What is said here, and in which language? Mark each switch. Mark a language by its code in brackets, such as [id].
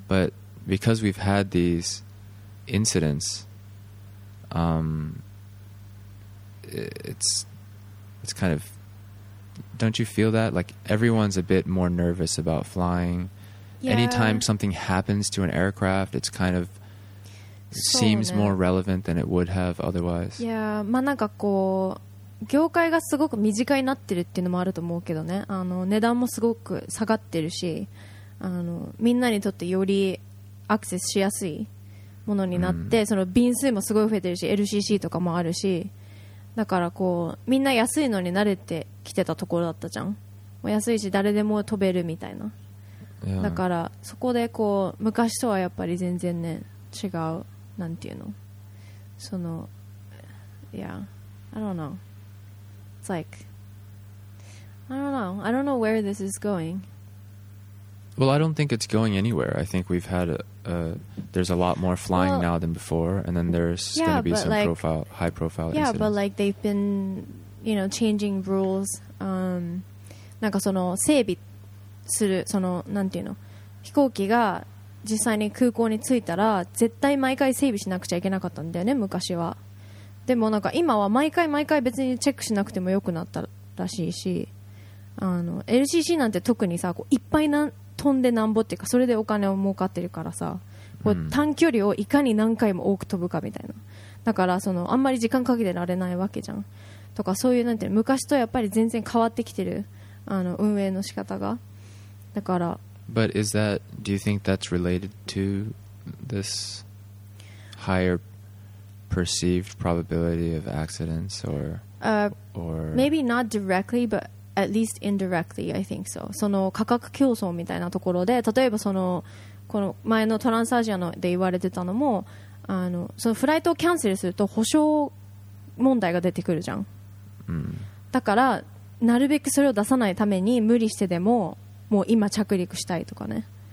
[en] But because we've had these incidents, it's kind of... Don't you feel that? Like, everyone's a bit more nervous about flying. Yeah. Anytime something happens to an aircraft, it's kind of seems more relevant than it would have otherwise. [ja] Yeah, まあなんかこう、業界がすごく身近になってるっていうのもあると思うけどね。あの、値段もすごく下がってるし、あの、みんなにとってよりアクセスしやすいものになって、その便数もすごい増えてるし、LCC とかもあるし、だからこうみんな安いのに慣れてきてたところだったじゃん。安いし誰でも飛べるみたいな。だからそこでこう昔とはやっぱり全然ね違う、なんていうの、そのいや、 [en] yeah, I don't know, it's like I don't know where this is going. Well, I don't think it's going anywhere. I think we've had there's a lot more flying well, now than before, and then there's yeah, going to be some like, high profile yeah, incidents. Yeah, but like they've been, you know, changing rules. [ja] なんかその整備するそのなんていうの、飛行機が実際に空港に着いたら絶対毎回整備しなくちゃいけなかったんだよね昔は。でもなんか今は毎回毎回別にチェックしなくてもよくなったらしいし、あの LCC なんて特にさ、こういっぱいなん飛んでなんぼっていうか、それでお金を儲かってるからさ、こう短距離をいかに何回も多く飛ぶかみたいな、だからそのあんまり時間かけてられないわけじゃん、とかそういうなんて昔とやっぱり全然変わってきてる、あの運営の仕方が。だから [en] But is that, do you think that's related to this higher perceived probability of accidents or maybe not directly but at least indirectly I think so. [ja] その価格競争みたいなところで、例えばそのこの前のトランスアジアので言われてたのも、あのそのフライトをキャンセルすると保証問題が出てくるじゃん、だからなるべくそれを出さないために無理してでももう今着陸したいとかね。